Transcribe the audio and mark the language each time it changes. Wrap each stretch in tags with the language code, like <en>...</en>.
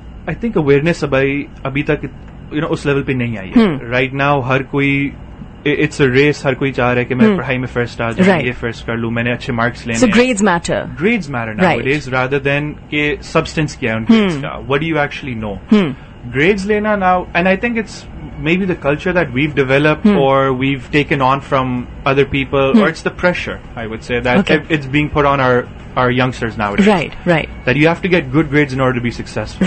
<en>I think awareness</en> <ur>ابھی تک,</ur> <en>you know,</en> <ur>اس level پہ نہیں آئی ہے.</ur> <en>Right now,</en> <ur>ہر کوئی,</ur> <en>it's a race.</en> <ur>ہر کوئی چاہ رہا ہے کہ میں پڑھائی میں فرسٹ آ جاؤں، یہ فرسٹ کر لوں، میں نے اچھے مارکس لینے۔</ur> <en>So grades matter. Grades matter nowadays, right, rather than</en> <ur>کہ substance کیا ہے ان grades کا.</ur> <en>What do you actually know? Grades lena now, and I think it's maybe the culture that we've developed or we've taken on from other people, or it's the pressure, I would say, that it's being put on our youngsters nowadays. Right, right. That you have to get good grades in order to be successful.</en>